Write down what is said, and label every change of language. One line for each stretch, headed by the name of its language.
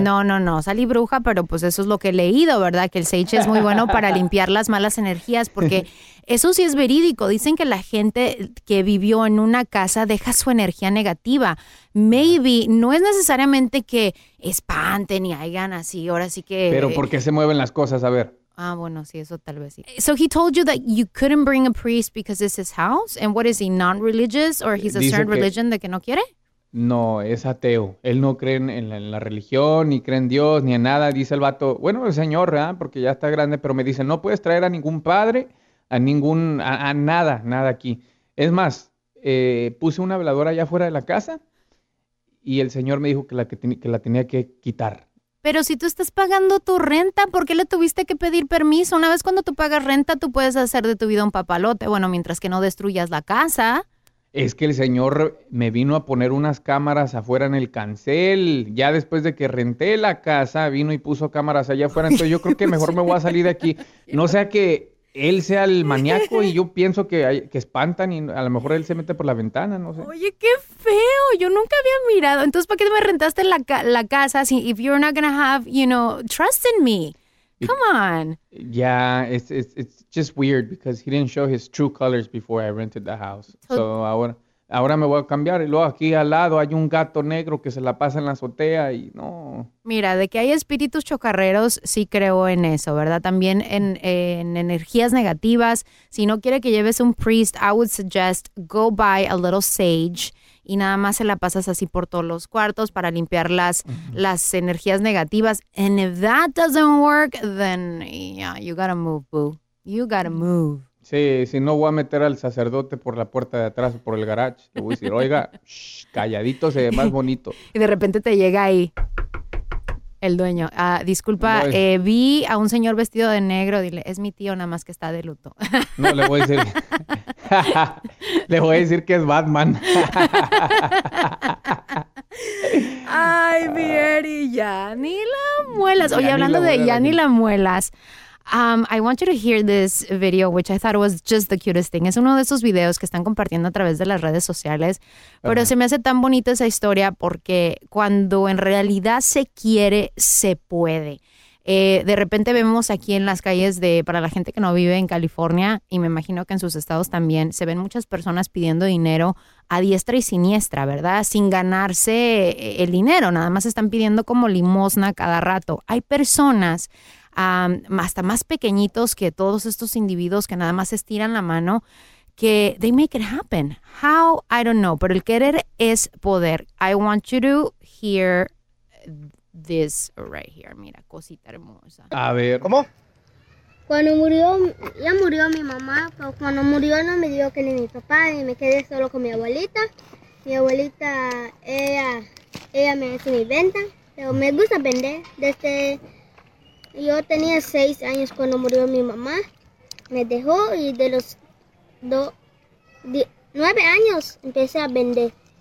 Spanish: No, salí bruja, pero pues eso es lo que he leído, ¿verdad? Que el sage es muy bueno para limpiar las malas energías, porque eso sí es verídico. Dicen que la gente que vivió en una casa deja su energía negativa. Maybe, no es necesariamente que espanten y hagan así, ahora sí que... Pero ¿por qué se mueven las cosas? A ver. Ah, bueno, sí, eso tal vez sí.
English: So he told you that you couldn't bring a priest because it's his house? And what is he, non-religious? Or he's a certain religion
Spanish: de que no quiere? No, es ateo. Él no cree en la religión, ni cree en Dios, ni en nada. Dice el vato, bueno, el señor, ¿verdad? Porque ya está grande, pero me dice, no puedes traer a ningún padre, a nada aquí. Es más, puse una veladora allá afuera de la casa y el señor me dijo que la tenía que quitar. Pero si tú estás pagando tu renta, ¿por qué le tuviste que pedir permiso? Una vez cuando tú pagas renta, tú puedes hacer de tu vida un papalote. Bueno, mientras que no destruyas la casa. Es que el señor me vino a poner unas cámaras afuera en el cancel. Ya después de que renté la casa, vino y puso cámaras allá afuera. Entonces yo creo que mejor me voy a salir de aquí. No sea que él sea el maníaco y yo pienso que espantan y a lo mejor él se mete por la ventana, no sé. Oye, qué feo. Yo nunca había mirado. Entonces, ¿para qué me rentaste la casa?
English: Si, if you're not gonna have, you know, trust in me. Come on. Yeah, it's just weird because he didn't show his true colors before I rented the house.
Spanish: So ahora me voy a cambiar. Y luego aquí al lado hay un gato negro que se la pasa en la azotea y no. Mira, de que hay espíritus chocarreros, sí creo en eso, ¿verdad? También en energías negativas. Si no quiere que lleves un priest,
English: I would suggest go buy a little sage.
Spanish: Y nada más se la pasas así por todos los cuartos para limpiar las energías negativas.
English: And if that doesn't work, then yeah, you gotta move, boo. You gotta move.
Spanish: Sí, si no voy a meter al sacerdote por la puerta de atrás o por el garage. Le voy a decir, oiga, shh, calladito se ve más bonito. Y de repente te llega ahí el dueño. Disculpa, vi a un señor vestido de negro. Dile, es mi tío nada más que está de luto. No, le voy a decir. Le voy a decir que es Batman. Ay, mi Eri, ya ni la muelas. Oye, hablando de ya ni la muelas.
English: I want you to hear this video, which I thought was just the cutest thing.
Spanish: Es uno de esos videos que están compartiendo a través de las redes sociales. Pero se me hace tan bonita esa historia porque cuando en realidad se quiere, se puede. De repente vemos aquí en las calles para la gente que no vive en California, y me imagino que en sus estados también, se ven muchas personas pidiendo dinero a diestra y siniestra, ¿verdad? Sin ganarse el dinero. Nada más están pidiendo como limosna cada rato. Hay personas hasta más pequeñitos que todos estos individuos que nada más estiran la mano, que
English: they make it happen. How? I don't know.
Spanish: Pero el querer es poder.
English: I want you to hear this right here.
Spanish: Mira, cosita hermosa. A ver. ¿Cómo? Cuando murió, ya murió mi mamá, pero cuando murió no me dio que ni mi papá, ni me quedé solo con mi abuelita. Mi abuelita, ella me hace mi venta, pero me gusta vender desde... Yo tenía 6 años cuando murió mi mamá, me dejó y de los 9 años empecé a vender.